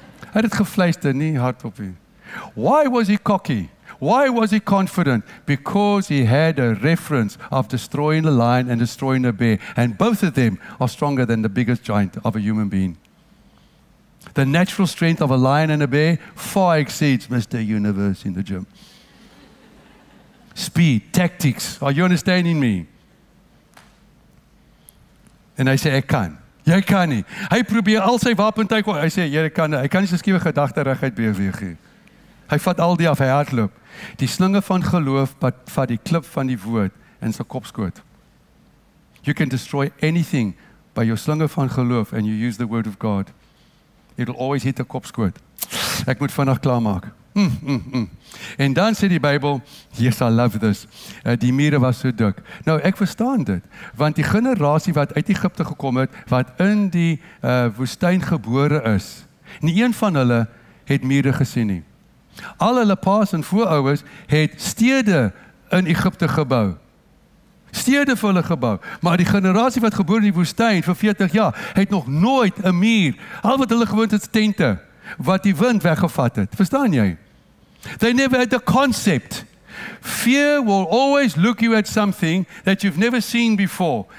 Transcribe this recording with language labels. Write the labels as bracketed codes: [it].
[af] Hy het gefluister, nie hardop nie. [en] Why was he cocky? Why was he confident? Because he had a reference of destroying a lion and destroying a bear. And both of them are stronger than the biggest giant of a human being. The natural strength of a lion and a bear far exceeds Mr. Universe in the gym. Speed, tactics. Are you understanding me? [af] En hy sê, ek kan. Jy kan nie. Hy probeer al sy wapentuig. Hy sê, jy kan nie. Hy kan nie sy skiewe gedagte reguit beweeg nie. Hy vat al die af, hy hardloop. Die slinge van geloof vat die klip van die woord in sy kopskoot. [en] You can destroy anything by your [af] slinge van geloof [en] and you use the word of God. It'll always hit the kopskoot. [af] Ek moet vinnig klaarmaak. En dan sê die Bybel, [en] yes, I love this. [af] Die mure was so dik. Nou, ek verstaan dit. Want die generasie wat uit Egipte gekom het, wat in die woestyn gebore is, nie een van hulle het mure gesien nie. Al hulle paas en voorouers het stede in Egipte gebou. Stede vir hulle gebou. Maar die generasie wat gebore in die woestyn vir 40 jaar, het nog nooit 'n muur. Al wat hulle gewoond het, tente wat die wind weggevat het. Verstaan jy? [en] They never had the concept. Fear will always look you at something that you've never seen before.